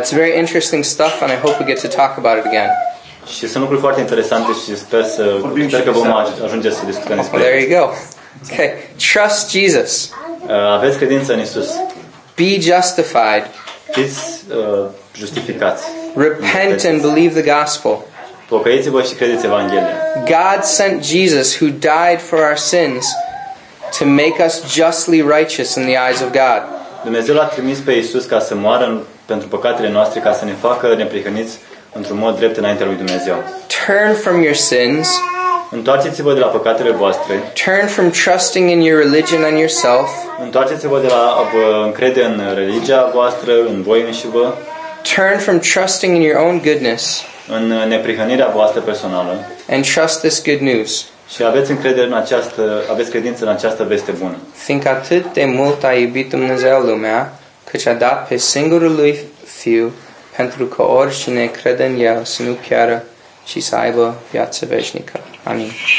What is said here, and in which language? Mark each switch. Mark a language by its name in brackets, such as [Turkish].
[English] It's very interesting stuff and I hope we get to talk about it again. [Romanian] Și sunt lucruri foarte interesante și sper că vom ajunge să discutăm despre. [English] There you go. Okay. Trust Jesus. [Romanian] Aveți credință în Isus. [English] Be justified. [Romanian] Fiți justificați. [English] Repent and believe the gospel. [Romanian] Pocăiți-vă și credeți Evanghelia. [English] God sent Jesus who died for our sins to make us justly righteous in the eyes of God. [Romanian] Dumnezeu l-a trimis pe Iisus ca să moară pentru păcatele noastre, ca să ne facă neprihăniți într-un mod drept înaintea lui Dumnezeu. [English] Turn from your sins. [Romanian] Întoarceți-vă de la păcatele voastre. [English] Turn from trusting in your religion and yourself. [Romanian] Întoarceți-vă de la a vă încrede în religia voastră, în voi înșivă. [English] Turn from trusting in your own goodness. [Romanian] În neprihănirea voastră personală. [English] And trust this good news. [Romanian] Și aveți încredere în această, aveți credință în această veste bună. Fiindcă atât de mult a iubit Dumnezeu lumea, căci a dat pe singurul lui fiu, pentru că oricine crede în el să nu piară, ci să aibă viață veșnică. Amin.